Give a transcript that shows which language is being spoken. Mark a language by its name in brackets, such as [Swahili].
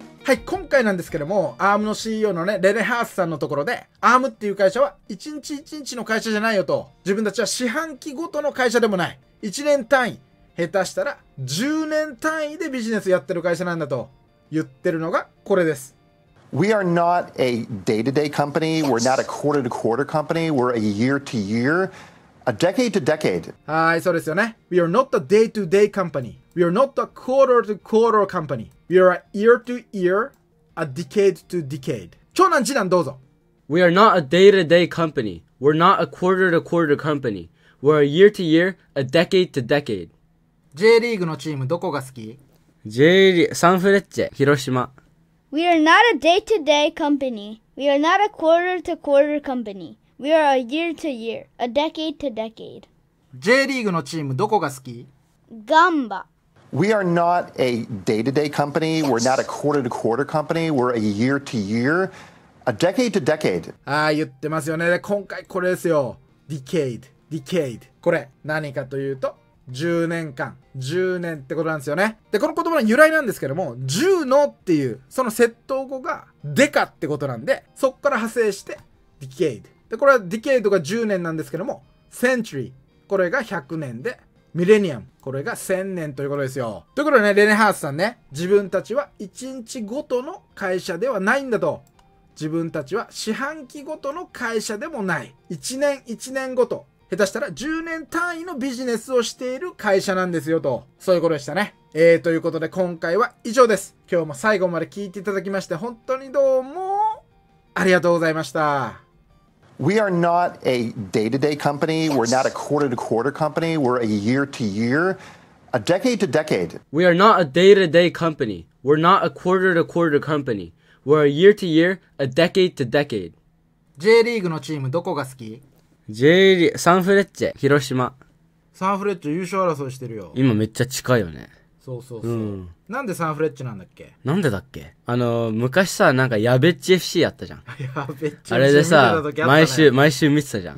[Japanese] はい、今回なんですけども、ARM の CEO のね、レレハースさんのところで、ARM っていう会社は1日1日の会社じゃないよと。自分たちは四半期ごとの会社でもない。1年単位、下手したら10年単位でビジネスやってる会社なんだと言ってるのがこれです。 [English] We are not a day-to-day company. We're not a quarter-to-quarter company. We're a year-to-year. A decade-to-decade. [Japanese] はい、そうですよね。 [English] We are not a day-to-day company. We are not a quarter-to-quarter company. We are a year to year, a decade to decade. [Japanese] 長男次男どうぞ。 [English] We are not a day to day company. We're not a quarter to quarter company. We're a year to year, a decade to decade. [Japanese] J リーグのチームどこが好き？ J リーグ、サンフレッチェ、広島。 [English] We are not a day to day company. We are not a quarter to quarter company. We are a year to year, a decade to decade. [Japanese] J リーグのチームどこが好き？ガンバ。 [English] We are not a day-to-day company. We're not a quarter-to-quarter company. We're a year-to-year, a decade-to-decade. [Japanese] ああ、言ってますよね。で、今回これですよ。 [English] Decade, decade. [Japanese] これ、何かというと、10年間。10年ってことなんですよね。で、この言葉の由来なんですけども、10のっていう、その接頭語が、デカってことなんで、そこから派生して、Decade。で、これは Decade が10年なんですけども、Century。これが100年で、ミレニアム、これが1000年ということですよ。ということでね、レネハースさんね、自分たちは1日ごとの会社ではないんだと。自分たちは四半期ごとの会社でもない。1年1年ごと、下手したら10年単位のビジネスをしている会社なんですよと。そういうことでしたね。ということで今回は以上です。今日も最後まで聞いていただきまして本当にどうもありがとうございました。 [English] We are not a day-to-day company. We're not a quarter-to-quarter company. We're a year-to-year, a decade-to-decade. We are not a day-to-day company. We're not a quarter-to-quarter company. We're a year-to-year, a decade-to-decade. [Japanese] J リーグのチームどこが好き？ J リーグ、サンフレッチェ、広島。サンフレッチェ優勝争いしてるよ。今めっちゃ近いよね。そうそうそう、うん。なんでサンフレッチェなんだっけ？なんでだっけ？昔さ、なんかヤベッチ FC やったじゃん。ヤベッチ FC。あれでさ、ね、毎週見てたじゃん。